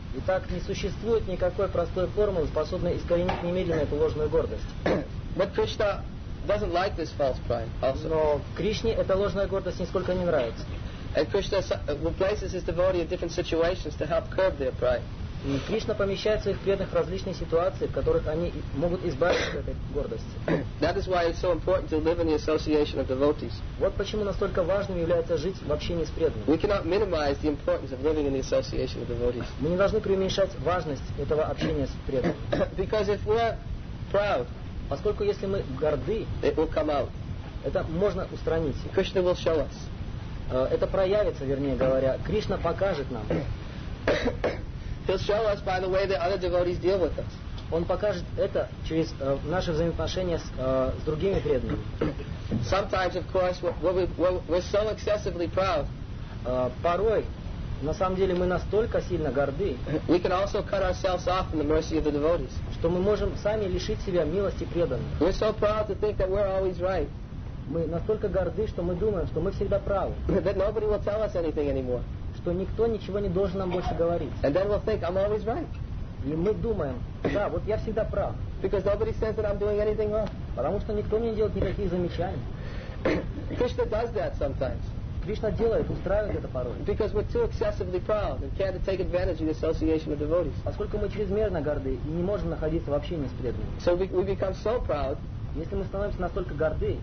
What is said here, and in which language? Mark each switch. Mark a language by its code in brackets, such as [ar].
[ru] Итак, не существует никакой простой формулы, способной искоренить немедленно эту ложную гордость. [en] But Krishna doesn't like this false pride. Also. [ru] Но Кришне эта ложная гордость нисколько не нравится. [en] And Krishna places his devotee in different situations to help curb their pride. [ru] И Кришна помещает своих преданных в различные ситуации, в которых они могут избавиться от этой гордости. [en] That is why it's so important to live in the association of devotees. [ru] Вот почему настолько важным является жить в общении с преданными. [en] We cannot minimize the importance of living in the association of devotees. [ru] Мы не должны преуменьшать важность этого общения с преданными. [en] Because if we're proud, [ru] поскольку если мы горды, [en] it will come out. [ru] это можно устранить. Кришна [en] will show us. [ru] Это проявится, вернее говоря, Кришна покажет нам. [en] He'll show us by the way the other devotees deal with us. [ru] Он покажет это через наши взаимоотношения с другими преданными. [en] Sometimes, of course, we're so excessively proud. [ru] Порой, на самом деле, мы настолько сильно горды. [en] We can also cut ourselves off from the mercy of the devotees. [ru] Что мы можем сами лишить себя милости преданных. [en] We're so proud to think that we're always right. [ru] Мы настолько горды, что мы думаем, что мы всегда правы. [en] That nobody will tell us anything anymore. [ru] Что никто ничего не должен нам больше говорить. [en] And then we'll think I'm always right. [ru] И мы думаем, да, вот я всегда прав. [en] Because nobody says that I'm doing anything wrong. [ru] Потому что никто мне не делает никаких замечаний. [en] Krishna does that sometimes. [ru] Кришна делает, устраивает это порой. [en] Because we're too excessively proud and can't take advantage of the association of devotees. [ru] Поскольку мы чрезмерно горды и не можем находиться в общении с преданными. [en] So we become so proud. [ru] Если мы становимся настолько горды,